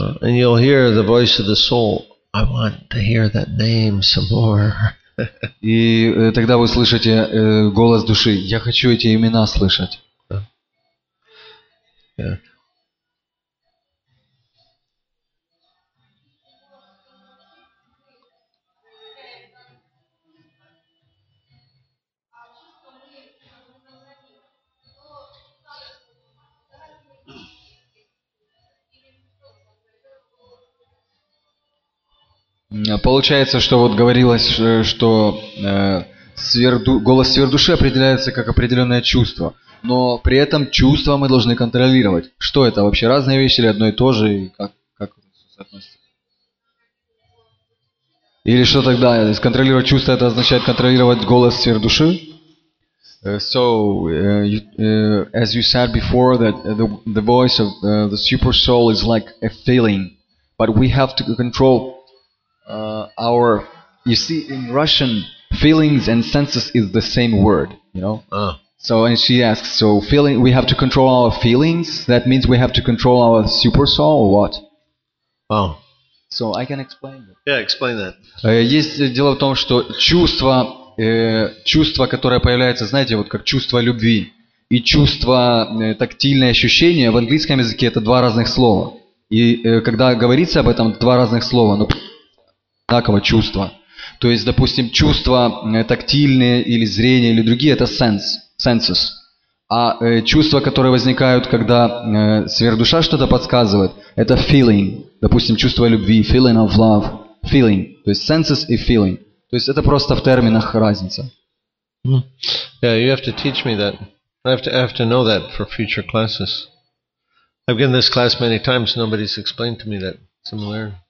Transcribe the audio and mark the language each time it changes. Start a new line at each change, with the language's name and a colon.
English: And you'll hear the voice of the soul. I want to hear that name some more.
Russian: И тогда вы слышите голос души. Я хочу эти имена слышать.
English: Yeah.
Russian: Получается, что вот говорилось, что голос сверхдуши определяется как определенное чувство. Но при этом чувства мы должны контролировать. Что это? Вообще разные вещи или одно и то же? И как это все соотносится? Или что тогда? Контролировать чувства это означает контролировать голос сверхдуши?
English: As you said before, that the voice of the super soul is like a feeling, but we have to control our. You see, in Russian, feelings and senses is the same word, you know. So, and she asks, so feeling, we have to control our feelings. That means we have to control our super soul, or what? Wow. So I can explain. Yeah, explain that.
Russian: Есть дело в том, что чувства. Чувство, которое появляется, знаете, вот как чувство любви и чувство тактильное ощущение, в английском языке это два разных слова. И когда говорится об этом, два разных слова, но одинаково чувство. То есть, допустим, чувство тактильное или зрение или другие, это sense, senses. А чувства, которые возникают, когда сверхдуша что-то подсказывает, это feeling. Допустим, чувство любви,
English: feeling of love,
Russian: feeling. То есть senses и feeling. То есть это просто в терминах разница.
English: Yeah, you have to teach me that. I have to know that for future classes. I've given this class many times, nobody's explained to me that similar.